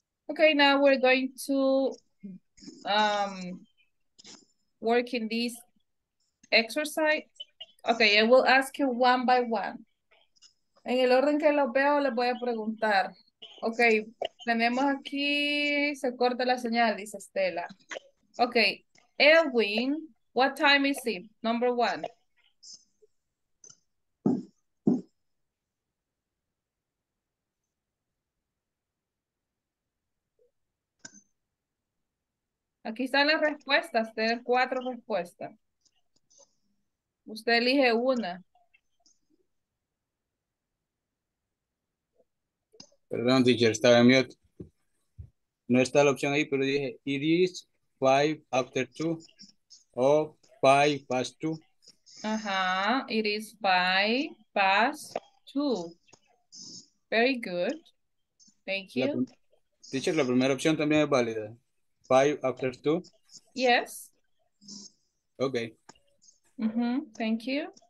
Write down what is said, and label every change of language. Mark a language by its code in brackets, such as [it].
[en] Okay, now we're going to work in this exercise. Okay, I will ask you one by one. [es] En el orden que lo veo, les voy a preguntar. Ok, tenemos aquí, se corta la señal, dice Estela. [en] Ok, Edwin, what time is it? Number 1. [es] Aquí están las respuestas, tener 4 respuestas. Usted elige una. Perdón, teacher, estaba en mute. No está la opción ahí, pero dije, [en] it is 5 after 2 [es] o [en] 5 past 2. Ajá, it is 5 past 2. Very good. Thank you. [es] Teacher, la primera opción también es válida. [en] Five after two. Yes. Okay. Mm-hmm. Thank you.